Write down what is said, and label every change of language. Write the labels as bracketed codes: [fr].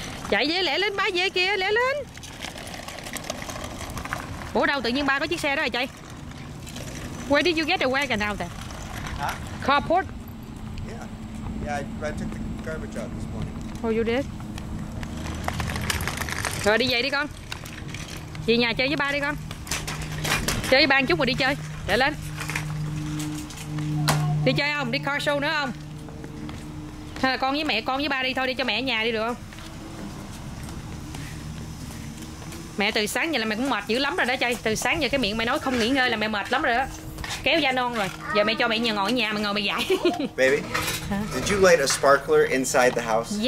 [vi] Chạy về lẹ lên, ba về kìa, lẹ lên. Bố đâu tự nhiên ba có chiếc xe đó rồi chạy. [en] Where did you get the wagon out there? Huh? Carport. Yeah. Yeah, I took the garbage out this morning. Oh, you did? [vi] Rồi đi về đi con. Về nhà chơi với ba đi con. Chơi với ba chút rồi đi chơi. Lẹ lên. Đi chơi không? Đi car show nữa không? Hay là con với mẹ, con với ba đi thôi, đi cho mẹ ở nhà đi được không? Mẹ từ sáng giờ là mẹ cũng mệt dữ lắm rồi đó chay. Từ sáng giờ cái miệng mẹ nói không nghỉ ngơi là mẹ mệt lắm rồi đó. Kéo da non rồi. Giờ mẹ cho mẹ nhờ ngồi ở nhà, mẹ ngồi mẹ dạy. [en] Baby, did you light a sparkler inside the house?